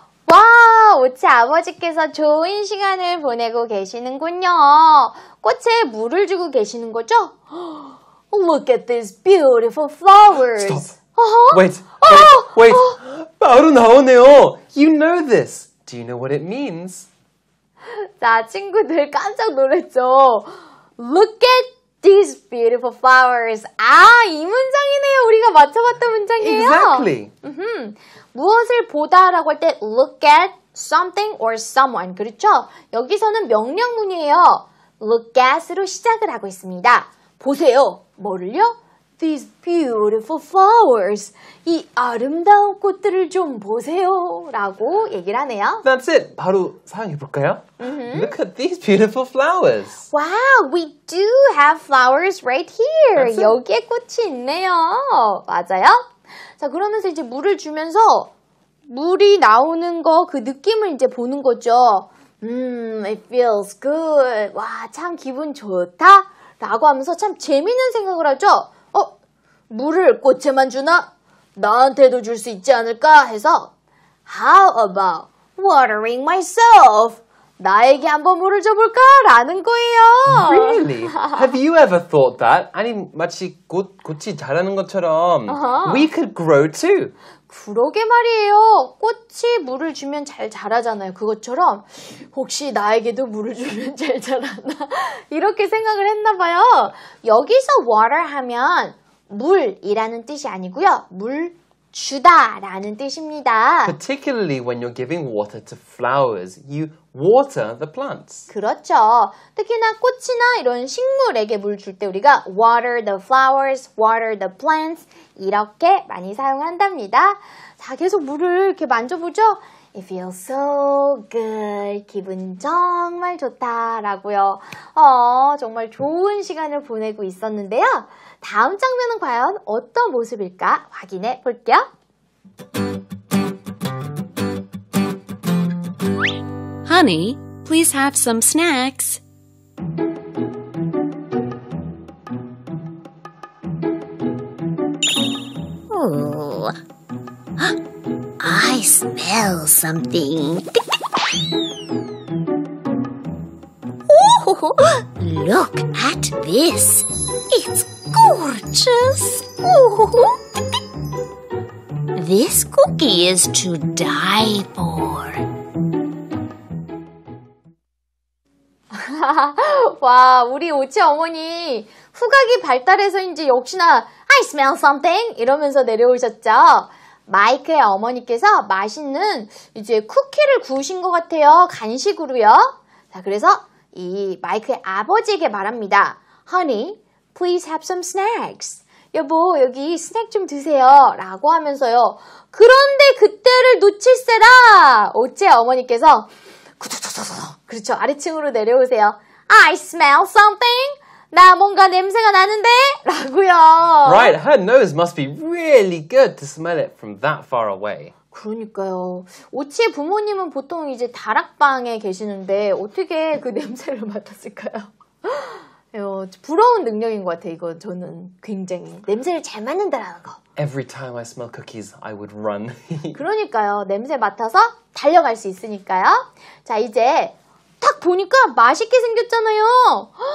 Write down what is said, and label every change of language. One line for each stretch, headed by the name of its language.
Korean: Wow, 우치 아버지께서 좋은 시간을 보내고 계시는군요. 꽃에 물을 주고 계시는 거죠?
English: Look at these beautiful flowers. Stop. Wait. Wait.
Korean: 바로 나오네요.
English: You know this. Do you know what it means?
Korean: 자, 친구들 깜짝 놀랐죠?
English: Look at these beautiful flowers.
Korean: 아, 이 문장이네요. 우리가 맞춰봤던 문장이에요.
English: Exactly.
Korean: 무엇을 보다라고 할 때
English: look at something or someone.
Korean: 그렇죠? 여기서는 명령문이에요. Look at으로 시작을 하고 있습니다. 보세요. 뭐를요?
English: These beautiful flowers.
Korean: 이 아름다운 꽃들을 좀 보세요. 라고 얘기를 하네요.
English: That's it.
Korean: 바로 사용해볼까요?
English: Mm-hmm. Look at these beautiful flowers. Wow, we do have flowers right here.
Korean: 여기에 꽃이 있네요. 맞아요. 자, 그러면서 이제 물을 주면서 물이 나오는 거, 그 느낌을 이제 보는 거죠.
English: It feels good.
Korean: 와, 참 기분 좋다. 라고 하면서 참 재밌는 생각을 하죠. 어? 물을 꽃에만 주나? 나한테도 줄 수 있지 않을까? 해서
English: How about watering myself?
Korean: 나에게 한번 물을 줘볼까? 라는 거예요.
English: Really? Have you ever thought that?
Korean: 아니, 마치 꽃이 자라는 것처럼 uh-huh.
English: We could grow too.
Korean: 그러게 말이에요. 꽃이 물을 주면 잘 자라잖아요. 그것처럼 혹시 나에게도 물을 주면 잘 자라나? 이렇게 생각을 했나 봐요. 여기서 water 하면 물이라는 뜻이 아니고요. 물 주다라는 뜻입니다.
English: Particularly when you're giving water to flowers, you water the plants.
Korean: 그렇죠. 특히나 꽃이나 이런 식물에게 물 줄 때 우리가
English: water the flowers, water the plants
Korean: 이렇게 많이 사용한답니다. 자, 계속 물을 이렇게 만져보죠.
English: It feels so good.
Korean: 기분 정말 좋다라고요. 정말 좋은 시간을 보내고 있었는데요. 다음 장면은 과연 어떤 모습일까 확인해 볼게요.
English: Honey, please have some snacks. Ooh. I smell something. Ooh, look at this. It's gorgeous. Ooh. This cookie is to die for.
Korean: 와, 우리 오치 어머니 후각이 발달해서인지 역시나
English: I smell something
Korean: 이러면서 내려오셨죠. 마이크의 어머니께서 맛있는 이제 쿠키를 구우신 것 같아요. 간식으로요. 자, 그래서 이 마이크의 아버지에게 말합니다.
English: Honey, please have some snacks.
Korean: 여보, 여기 스낵 좀 드세요. 라고 하면서요. 그런데 그때를 놓칠세라. 오치 어머니께서 그렇죠. 아래층으로 내려오세요.
English: I smell something.
Korean: 나 뭔가 냄새가 나는데? 라고요.
English: Right. Her nose must be really good to smell it from that far away.
Korean: 그러니까요. 오치의 부모님은 보통 이제 다락방에 계시는데 어떻게 그 냄새를 맡았을까요? 부러운 능력인 것 같아요. 이거 저는 굉장히. 냄새를 잘 맡는다라는 거.
English: Every time I smell cookies, I would run.
Korean: 그러니까요. 냄새 맡아서 달려갈 수 있으니까요. 자, 이제 딱 보니까 맛있게 생겼잖아요.